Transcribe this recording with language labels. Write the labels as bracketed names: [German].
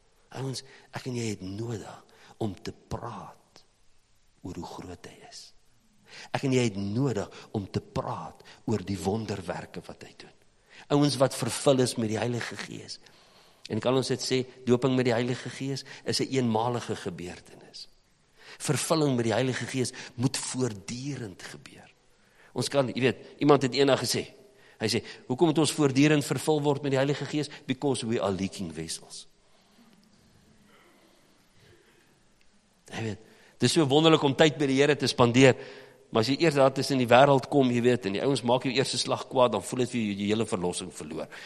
[Afrikaans] Ouens, ek en jy het nodig om te praat oor hoe groot hy is. Ek en jy het nodig om te praat oor die wonderwerke wat hy doen. Ouens wat vervul is met die Heilige Gees. En kan ons dit sê, dooping met die Heilige Gees is 'n eenmalige gebeurtenis. Vervulling met die Heilige Gees moet voortdurend gebeur. Ons kan, jy weet, iemand het eendag gesê, hy sê, hoekom moet ons voortdurend vervul word met die Heilige Gees? [English] Because we are leaking vessels. [Afrikaans] Jy weet, dit is so wonderlik om tyd by die Here te spandeer, maar as jy eers daar tussen die wêreld kom, jy weet, en die ouens maak jou eerste slag kwaad, dan voel dit vir jou die hele verlossing verloor.